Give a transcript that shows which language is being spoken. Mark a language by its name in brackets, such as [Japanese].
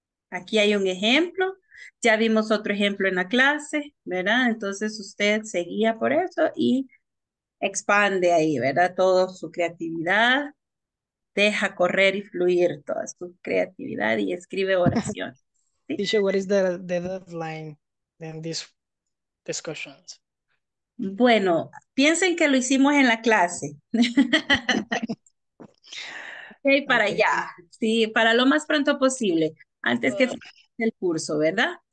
[Spanish] Aquí hay un ejemplo, ya vimos otro ejemplo en la clase, ¿verdad? Entonces usted seguía por eso y expande ahí, ¿verdad? Todo su creatividad, deja correr y fluir toda su creatividad y escribe oraciones. ¿Sí? [English] Teacher, what is the deadline in these discussions? [Spanish] Bueno, piensen que lo hicimos en la clase. Okay, para allá, okay. Sí, para lo más pronto posible, antes que el curso, ¿verdad?